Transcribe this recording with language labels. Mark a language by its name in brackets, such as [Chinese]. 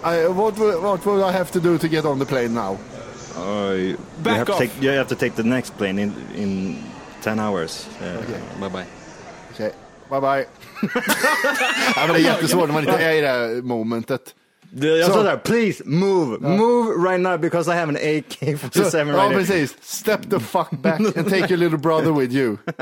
[English] What would I have to do to get on the plane now? Back off. You have to take the next plane in 10 hours. Okay. Bye-bye. Okay. Bye-bye. [Swedish] Ja, men det är jättesvårt när man inte är i det här momentet. Jag sa där, [English] please move. [Swedish] Ja. [English] Move right now because I have an AK-47 right here. [Swedish] Ja, precis. [English] Step the fuck back and take your little brother with you.